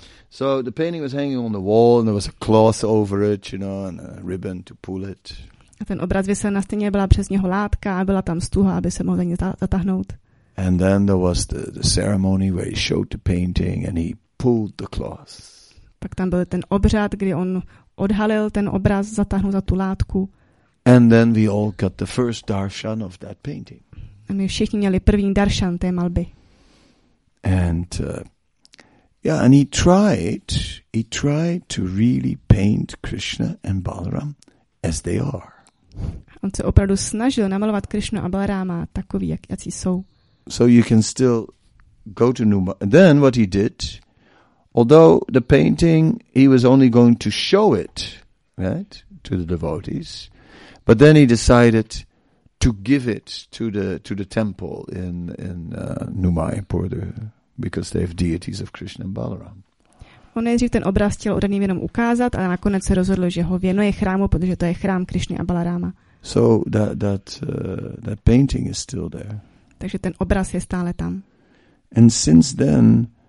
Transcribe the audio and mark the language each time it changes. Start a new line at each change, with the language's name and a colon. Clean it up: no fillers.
English: So the painting was hanging on the wall and there was a cloth over it, you know, and a ribbon to pull it.
Czech: A ten obraz visel na stěně, byla přes něho látka a byla tam stuha, aby se mohl za něj zatáhnout.
English: And then there was the ceremony where he showed the painting and he pulled the cloth.
Czech: Pak tam byl ten obřad, kdy on odhalil ten obraz, zatáhnul za tu látku.
English: And then we all got the first darshan of that painting.
Czech: A my všichni měli první darshan té malby.
English: And he tried to really paint Krishna and Balaram as they are.
Czech: On se opravdu snažil namalovat Krishnu a Balarama takový, jak jsou.
English: So you can still go to Numa. And then what he did, although the painting, he was only going to show it, right, to the devotees, but then he decided to give it to the temple in Noumaïpour, because they have deities of Krishna and Balaram.
Czech: On nejdřív ten obraz chtěl oddaným jenom ukázat, ale nakonec se rozhodl, že ho věnuje chrámu, protože to je chrám Krishny a Balarama.
English: So that painting is still there.
Czech: Takže ten obraz je stále tam.
English: And since then